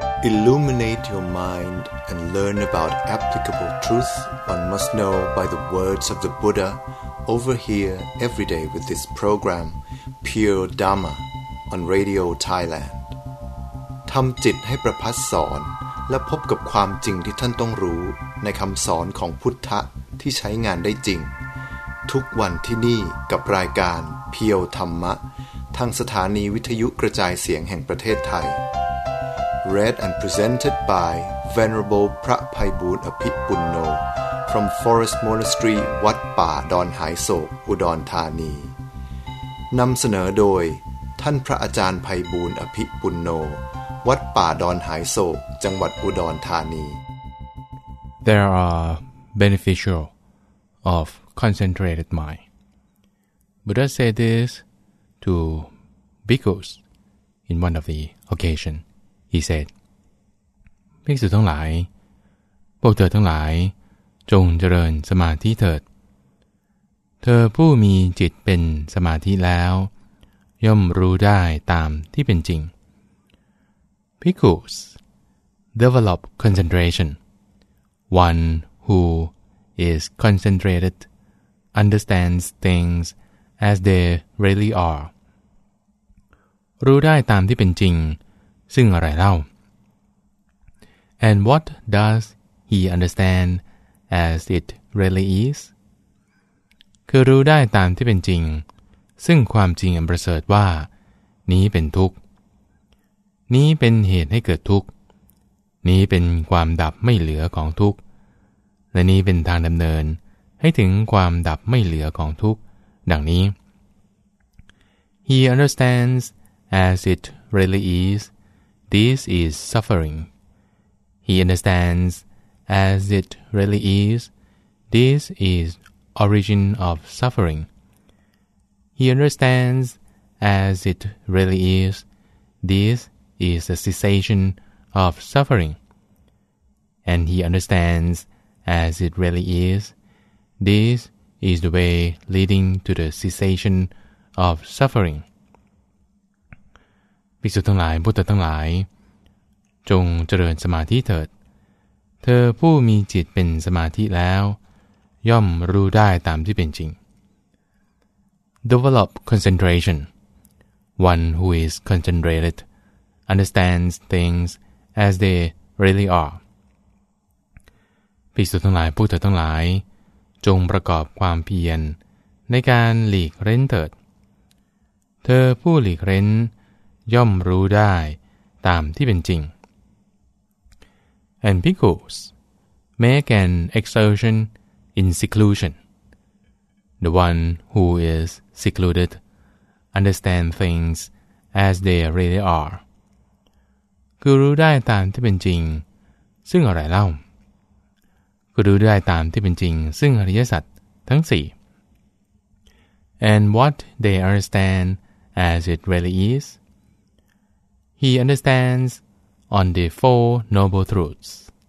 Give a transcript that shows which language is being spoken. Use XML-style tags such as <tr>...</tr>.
<en>Illuminate your mind and learn about applicable truth one must know by the words of the Buddha over here every day with this program, Pure Dharma, on Radio Thailand.</en> <th>ทำจิตให้ประพัสสอนและพบกับความจริงที่ท่านต้องรู้ในคำสอนของพุทธะที่ใช้งานได้จริงทุกวันที่นี่กับรายการเพียวธรรมะทางสถานีวิทยุกระจายเสียงแห่งประเทศไทย</th> <en>Read and presented by Venerable</en> <th>พระไพบูลย์อภิปุณโญ</th> <en>from Forest Monastery</en> <th>วัดป่าดอนหายโศกอุดรธานีนำเสนอโดยท่านพระอาจารย์ไพบูลย์อภิปุณโญวัดป่าดอนหายโศกจังหวัดอุดรธานี</th> <en>There are beneficial of concentrated mind. Buddha said this to bhikkhus in one of the occasion. He said,</en> <th>ภิกษุทั้งหลายพวกเธอทั้งหลายจงเจริญสมาธิเถิดเธอผู้มีจิตเป็นสมาธิแล้วย่อมรู้ได้ตามที่เป็นจริง</th> <en>Bhikkhus develop concentration. One who is concentrated understands things as they really are.</en> <th>รู้ได้ตามที่เป็นจริงซึ่งอะไรเล่า</th> <en>And what does he understand as it really is?</en> <th>คือรู้ได้ตามที่เป็นจริงซึ่งความจริงอันประเสริฐว่านี้เป็นทุกข์นี้เป็นเหตุให้เกิดทุกข์นี้เป็นความดับไม่เหลือของทุกข์และนี้เป็นทางดำเนินให้ถึงความดับไม่เหลือของทุกข์ดังนี้</th> <en>He understands as it really is, this is suffering. He understands as it really is, this is origin of suffering. He understands as it really is, this is the cessation of suffering. And he understands as it really is,This is the way leading to the cessation of suffering.</en> <th>ภิกษุทั้งหลายพุทธทั้งหลายจงเจริญสมาธิเถิดเธอผู้มีจิตเป็นสมาธิแล้วย่อมรู้ได้ตามที่เป็นจริง</th> <en>Develop concentration. One who is concentrated understands things as they really are.</en> <th>ภิกษุทั้งหลายพุทธทั้งหลายจงประกอบความเพียรในการหลีกเร้นเถิดเธอผู้หลีกเร้นย่อมรู้ได้ตามที่เป็นจริง</th> <en>And bhikkhus make an exertion in seclusion. The one who is secluded understand things as they really are.</en> <th>คือรู้ได้ตามที่เป็นจริงซึ่งอะไรเล่าก็รู้ได้ตามที่เป็นจริงซึ่งอริยสัจทั้ง4</th> <en>And what they understand as it really is? He understands on the four noble truths.</en>